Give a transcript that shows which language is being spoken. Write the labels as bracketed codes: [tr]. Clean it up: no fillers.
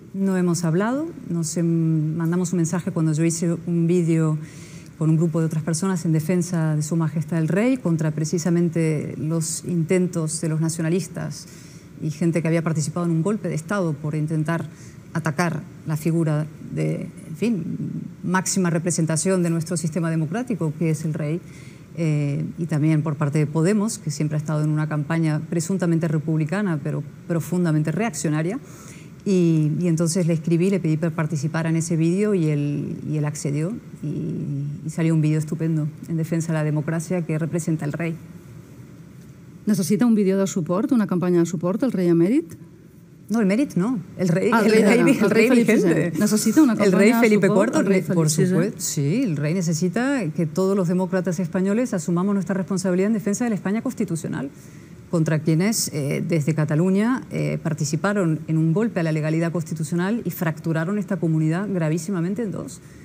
[es] No hemos hablado, nos mandamos un mensaje cuando yo hice un vídeo con un grupo de otras personas en defensa de su majestad el rey, contra precisamente los intentos de los nacionalistas y gente que había participado en un golpe de Estado por intentar atacar la figura de, en fin, máxima representación de nuestro sistema democrático, que es el rey, y también por parte de Podemos, que siempre ha estado en una campaña presuntamente republicana, pero profundamente reaccionaria. Y entonces le escribí, le pedí para participar en ese vídeo y él accedió. Y salió un vídeo estupendo en defensa de la democracia que representa el rey. [ca] ¿Necesita un vídeo de suport, una campaña de suport, el rey emèrit? [es] No, el mèrit no, el rey vigente. ¿Necesita una campaña el rey Felipe IV? Por supuesto, sí, el rey necesita que todos los demócratas españoles asumamos nuestra responsabilidad en defensa de la España constitucional, contra quienes desde Cataluña participaron en un golpe a la legalidad constitucional y fracturaron esta comunidad gravísimamente en dos.